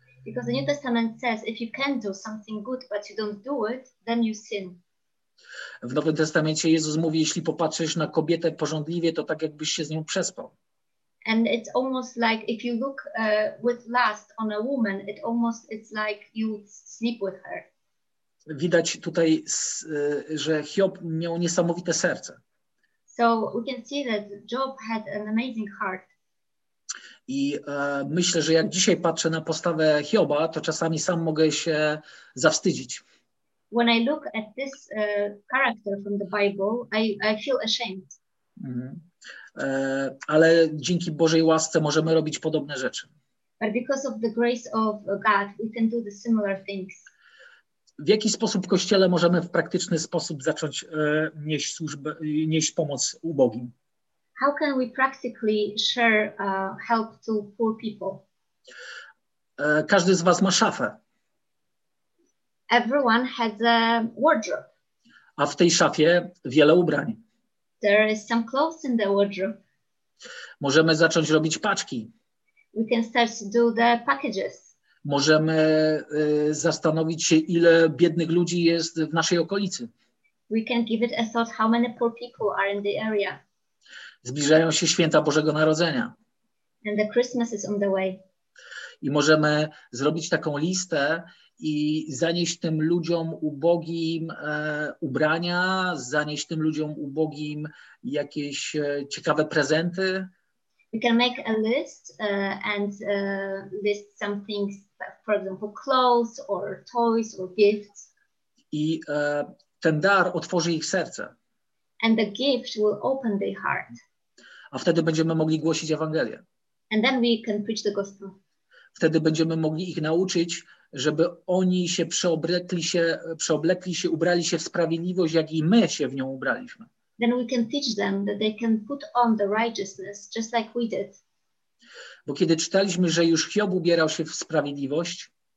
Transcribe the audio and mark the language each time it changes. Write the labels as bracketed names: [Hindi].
[English] Because the New Testament says, if you can do something good, but you don't do it, then you sin. [Polish] W Nowym Testamencie Jezus mówi, jeśli popatrzysz na kobietę pożądliwie, to tak jakbyś się z nią przespał. [English] And it's almost like if you look with lust on a woman, it almost it's like you sleep with her. [Polish] Widać tutaj, że Hiob miał niesamowite serce. [English] So we can see that Job had an amazing heart. [Polish] I myślę, że jak dzisiaj patrzę na postawę Hioba, to czasami sam mogę się zawstydzić. [English] When I look at this character from the Bible, I feel ashamed. Mm-hmm. [Polish] Ale dzięki Bożej łasce możemy robić podobne rzeczy. [English] But because of the grace of God, we can do the similar things. [Polish] W jaki sposób w Kościele możemy w praktyczny sposób zacząć nieść służbę, nieść pomoc ubogim? [English] How can we practically share help to poor people? [Polish] Każdy z was ma szafę. [English] Everyone has a wardrobe. [Polish] A w tej szafie wiele ubrań. [English] There is some clothes in the wardrobe. [Polish] Możemy zacząć robić paczki. [English] We can start to do the packages. [Polish] Możemy zastanowić się, ile biednych ludzi jest w naszej okolicy. [English] We can give it a thought how many poor people are in the area. [Polish] Zbliżają się święta Bożego Narodzenia. [English] And the Christmas is on the way. [Polish] I możemy zrobić taką listę i zanieść tym ludziom ubogim ubrania, zanieść tym ludziom ubogim jakieś ciekawe prezenty. [English] We can make a list and list some things, for example, clothes or toys or gifts. [Polish] I ten dar otworzy ich serce. [English] And the gift will open their heart. [Polish] A wtedy będziemy mogli głosić Ewangelię. [English] And then we can preach the gospel. [Polish] Wtedy będziemy mogli ich nauczyć, żeby oni się przeoblekli się, ubrali się w sprawiedliwość, jak i my się w nią ubraliśmy. [English] Then we can teach them that they can put on the righteousness just like we did. [Polish] Bo kiedy czytaliśmy, że już Hiob ubierał się w sprawiedliwość,